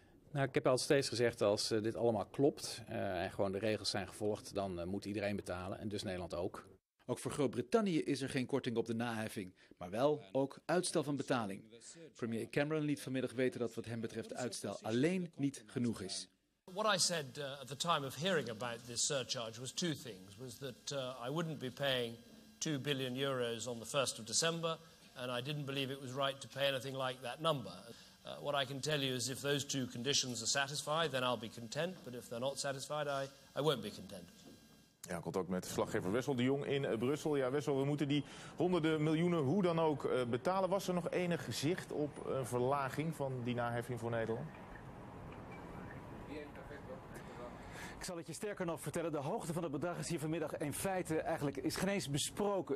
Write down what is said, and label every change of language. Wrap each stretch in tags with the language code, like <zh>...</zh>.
<nl>Nou, ik heb al steeds gezegd, als dit allemaal klopt en gewoon de regels zijn gevolgd, dan moet iedereen betalen, en dus Nederland ook. Ook voor Groot-Brittannië is er geen korting op de naheffing, maar wel ook uitstel van betaling. Premier Cameron liet vanmiddag weten dat wat hem betreft uitstel alleen niet genoeg is.</nl> <en>What I said at the time of hearing about this surcharge was two things. Was that I wouldn't be paying 2 billion euros on the 1st of December, and I didn't believe it was right to pay anything like that number. What I can tell you is if those two conditions are satisfied, then I'll be content. But if they're not satisfied, I won't be content.</en> <nl>Ja, contact met verslaggever Wessel de Jong in Brussel. Ja, Wessel, we moeten die honderden miljoenen hoe dan ook betalen. Was er nog enig zicht op een verlaging van die naheffing voor Nederland? Ik zal het je sterker nog vertellen. De hoogte van het bedrag is hier vanmiddag in feite eigenlijk is geen eens besproken.</nl>